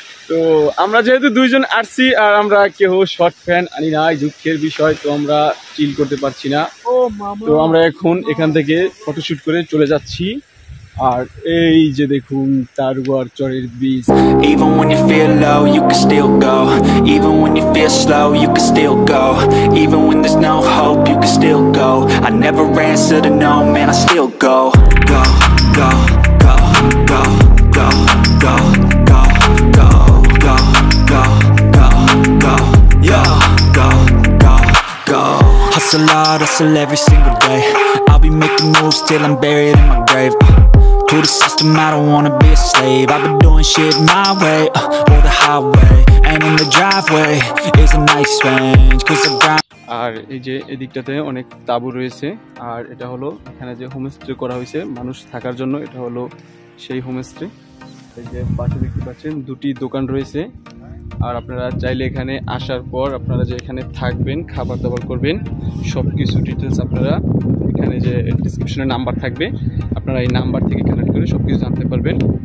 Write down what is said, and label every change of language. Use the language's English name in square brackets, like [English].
[Bangla] তো আমরা যেহেতু দুইজন আসছি আর আমরা কেউ শর্ট ফ্যান আনি নাই, দুঃখের বিষয়। তো আমরা চিল করতে পারছি না। তো আমরা এখন এখান থেকে ফটোশুট করে চলে যাচ্ছি। আর এই যে দেখুন তারুয়ার চরের বীজ। [English] Even when you feel low you can still go, even when you feel slow you can still go, even when there's no hope you can still go, I never answer to no man I still go, go go go go go go go go go go go go go go go go hustle hard, hustle every single day, I'll be making moves till I'm buried in my grave. To the system, I don't wanna be a slave, I've been doing shit my way, or the highway, and in the driveway is a nice range, cause I grind. [Bangla] আর এই যে এদিকটাতে অনেক তাঁবু রয়েছে, আর এটা হলো এখানে যে homestay করা হয়েছে মানুষ থাকার জন্য, এটা হলো সেই হোমস্টে। এই যে পাশে দেখতে পাচ্ছেন দুটি দোকান রয়েছে, আর আপনারা চাইলে এখানে আসার পর আপনারা যে এখানে থাকবেন, খাবার দাবার করবেন, সব কিছু ডিটেলস আপনারা এখানে যে ডিসক্রিপশনে নাম্বার থাকবে আপনারা এই নাম্বার থেকে কানেক্ট করে সব কিছু জানতে পারবেন।